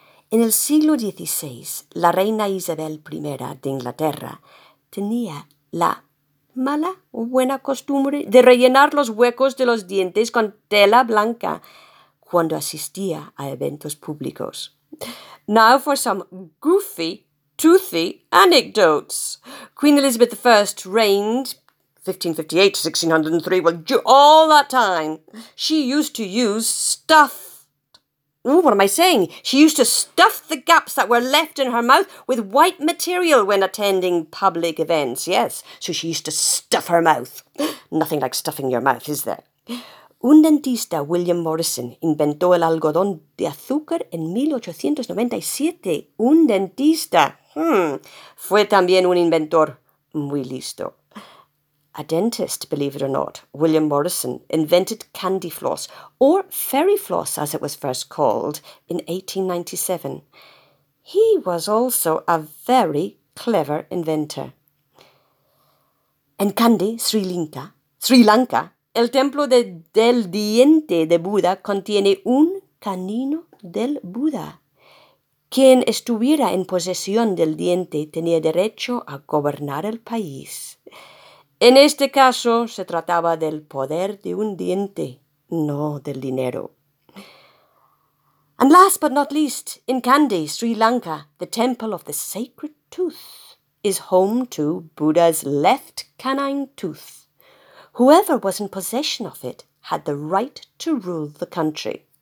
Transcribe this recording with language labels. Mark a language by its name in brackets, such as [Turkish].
[Spanish] En el siglo XVI, la reina Isabel I de Inglaterra tenía la mala o buena costumbre de rellenar los huecos de los dientes con tela blanca cuando asistía a eventos públicos. [English] Now for some goofy, toothy anecdotes. Queen Elizabeth I reigned 1558 to 1603, well, all that time, she used to use She used to stuff the gaps that were left in her mouth with white material when attending public events, yes. So she used to stuff her mouth. Nothing like stuffing your mouth, is there? [Spanish] Un dentista, William Morrison, inventó el algodón de azúcar en 1897. Un dentista, fue también un inventor muy listo. [English] A dentist, believe it or not, William Morrison, invented candy floss, or fairy floss as it was first called, in 1897. He was also a very clever inventor. [Spanish] En Kandy, Sri Lanka, el templo del diente de Buda contiene un canino del Buda. Quien estuviera en posesión del diente tenía derecho a gobernar el país. En este caso, se trataba del poder de un diente, no del dinero. [English] And last but not least, in Kandy, Sri Lanka, the temple of the sacred tooth is home to Buddha's left canine tooth. Whoever was in possession of it had the right to rule the country.